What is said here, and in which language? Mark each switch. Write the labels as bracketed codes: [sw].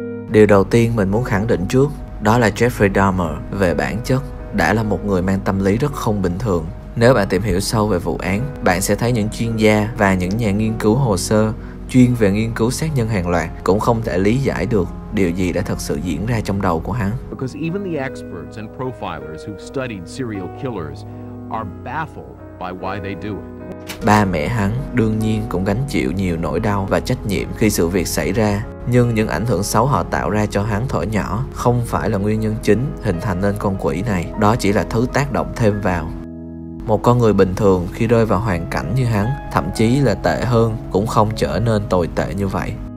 [vi] Điều đầu tiên mình muốn khẳng định trước đó là Jeffrey Dahmer về bản chất đã là một người mang tâm lý rất không bình thường. Nếu bạn tìm hiểu sâu về vụ án, bạn sẽ thấy những chuyên gia và những nhà nghiên cứu hồ sơ chuyên về nghiên cứu sát nhân hàng loạt cũng không thể lý giải được điều gì đã thật sự diễn ra trong đầu của hắn. [en] Because even the experts and profilers who studied serial killers are baffled by why they do it. [vi] Ba mẹ hắn đương nhiên cũng gánh chịu nhiều nỗi đau và trách nhiệm khi sự việc xảy ra. Nhưng những ảnh hưởng xấu họ tạo ra cho hắn thuở nhỏ không phải là nguyên nhân chính hình thành nên con quỷ này. Đó chỉ là thứ tác động thêm vào. Một con người bình thường khi rơi vào hoàn cảnh như hắn, thậm chí là tệ hơn, cũng không trở nên tồi tệ như vậy.